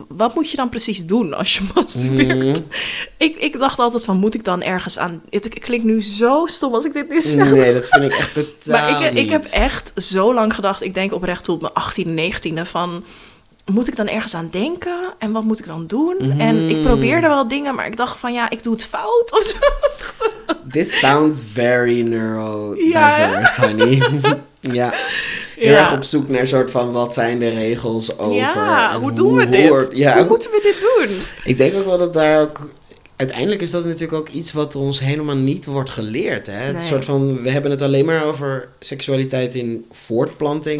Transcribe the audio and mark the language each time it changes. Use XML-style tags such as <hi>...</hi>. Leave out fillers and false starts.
<nl>wat moet je dan precies doen als je masturbeert? Ik dacht altijd van, moet ik dan ergens aan... Het klinkt nu zo stom als ik dit nu zeg. Nee, dat vind ik echt totaal maar ik heb echt zo lang gedacht, ik denk oprecht tot mijn 18e, 19e van... moet ik dan ergens aan denken? En wat moet ik dan doen? En ik probeerde wel dingen, maar ik dacht van, ja, ik doe het fout of zo.</nl> <en>This sounds very neurodiverse, honey.</en> <nl>Ja. Heel erg op zoek naar een soort van, wat zijn de regels over? Ja, hoe doen we dit? Ja. Hoe moeten we dit doen? Ik denk ook wel dat daar ook... Uiteindelijk is dat natuurlijk ook iets wat ons helemaal niet wordt geleerd. Hè? Nee. Een soort van, we hebben het alleen maar over seksualiteit in voortplanting.</nl>